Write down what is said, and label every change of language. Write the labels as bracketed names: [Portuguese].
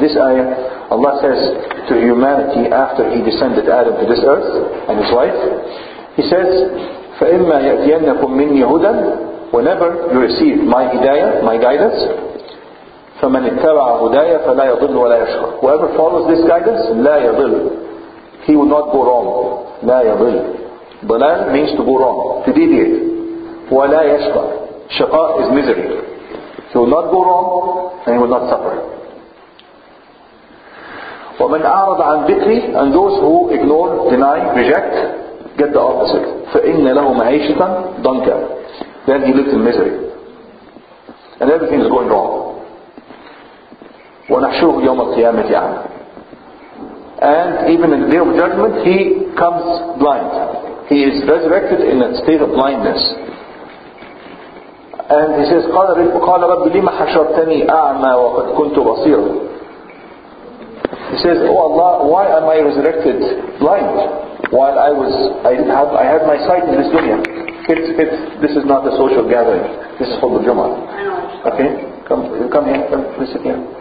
[English] This ayah, Allah says to humanity after he descended Adam to this earth and his wife, he says, [Arabic] فَإِمَّا يَأْتِيَنَّكُم مِّنِّي هُدًى, [English] whenever you receive my hidayah, my guidance, [Arabic] فَمَنْ اتَّبَعَ هُدَايَ فَلَا يَضِلُّ وَلَا يَشْقَى. [English] Whoever follows this guidance, [Arabic] لَا يَضِلُّ, [English] he will not go wrong. [Arabic] لَا يَضِلُّ, [English] ضَلَال means to go wrong, to deviate. [Arabic] وَلَا يَشْقَى, شَقَى [English] is misery. He will not go wrong and he will not suffer. [Arabic] وَمَنْ أَعْرَضَ عَنْ ذِكْرِي, [English] and those who ignore, deny, reject, get the opposite. [Arabic] فَإِنَّ لَهُ مَعِيشَةً ضَنكًا, [English] then he lives in misery and everything is going wrong. [Arabic] وَنَحْشُرُهُ يَوْمَ الْقِيَامَةِ أَعْمَى, [English] and even in the day of judgment he comes blind. He is resurrected in a state of blindness. And he says, [Arabic] قَالَ رَبِّ لِمَ حَشَرْتَنِي أَعْمَى وَقَدْ كُنْتُ بَصِيرًا. [English] He says, oh Allah, why am I resurrected blind while I had my sight in this dunya? This is not a social gathering. This is for the Jumu'ah. Okay? Come here.